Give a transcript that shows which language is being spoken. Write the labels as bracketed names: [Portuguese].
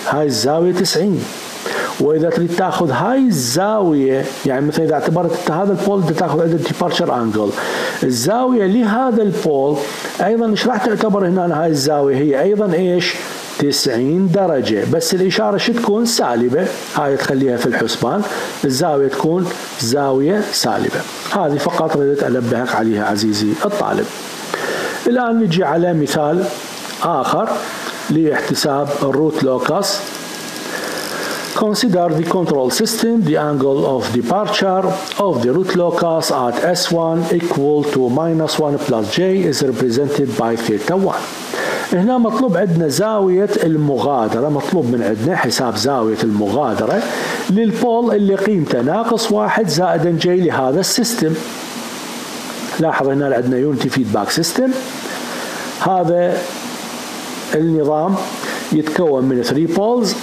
[Arabic] هاي الزاوية 90. وإذا تريد تأخذ هاي الزاوية يعني مثلا إذا اعتبرت أنت هذا البول بدك تأخذ هذا الديبارتشر أنجل الزاوية لهذا البول أيضا مش راح تعتبر هنا هاي الزاوية هي أيضا إيش 90 درجة بس الإشارة شو تكون سالبة. هاي تخليها في الحسبان الزاوية تكون زاوية سالبة. هذه فقط ردت أنبهك عليها عزيزي الطالب. الآن نجي على مثال آخر لاحتساب الروت لوكس. [English] Consider the control system. The angle of departure of the root locus at S1 equal to minus 1 plus J is represented by theta 1. [Arabic] هنا مطلوب عندنا زاوية المغادرة. مطلوب من عندنا حساب زاوية المغادرة للبول اللي قيمته ناقص 1 زائد J لهذا السيستم. لاحظ هنا عندنا unity feedback system. هذا النظام يتكون من 3 poles.